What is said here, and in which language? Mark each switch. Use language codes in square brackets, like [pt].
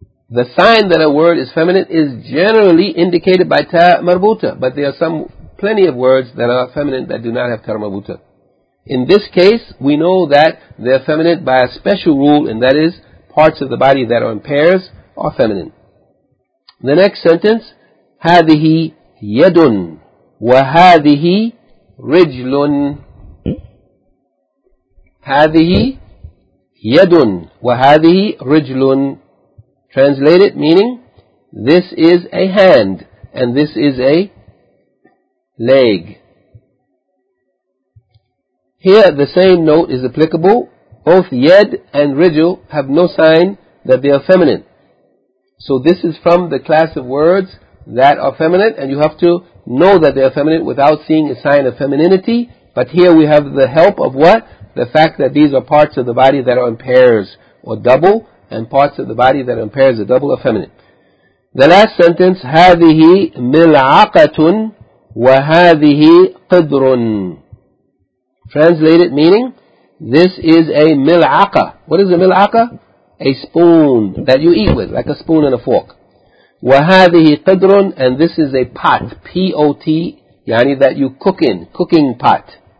[en] The sign that a word is feminine is generally indicated by ta marbuta, but there are plenty of words that are feminine that do not have ta marbuta. In this case, we know that they're feminine by a special rule, and that is parts of the body that are in pairs are feminine. The next sentence, [ar] هذه يد وهذه رجل. هذه يد وهذه رجل. [en] Translated meaning, this is a hand and this is a leg. Here the same note is applicable. Both yed and rijl have no sign that they are feminine. So this is from the class of words that are feminine, and you have to know that they are feminine without seeing a sign of femininity. But here we have the help of what? The fact that these are parts of the body that are in pairs or double, and parts of the body that are in pairs or double are feminine. The last sentence, [ar] هذه ملعقة وهذه قدر. [en] Translated meaning, this is a ملعقة. What is a ملعقة? A spoon that you eat with, like a spoon and a fork. [ar] وَهَذِهِ قِدْرٌ, [en] and this is a pot, P-O-T, yani that you cook in, cooking pot.